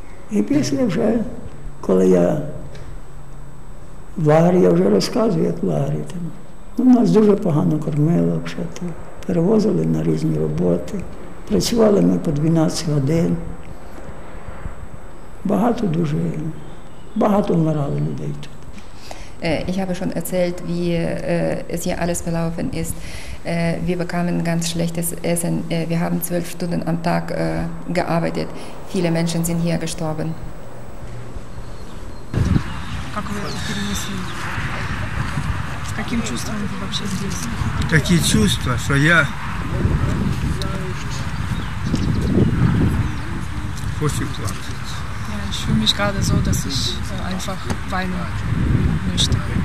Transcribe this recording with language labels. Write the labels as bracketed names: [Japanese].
[Ukrainian] І після вже, коли я в лагері, я вже розказую, як в лагері там. Ну, нас дуже погано кормили, взагалі. Перевозили на різні роботи. Працювали ми по 12 годин. Багато дуже, багато вмирали людей тут. [German] Ich habe schon erzählt, wie es hier alles verlaufen ist. Wir bekamen ganz schlechtes Essen. Wir haben 12 Stunden am Tag gearbeitet. Viele Menschen sind hier gestorben. [Russian] Какие чувства, что я хочу плакать? Я чувствую себя [German] gerade so, dass ich einfach weinen möchte.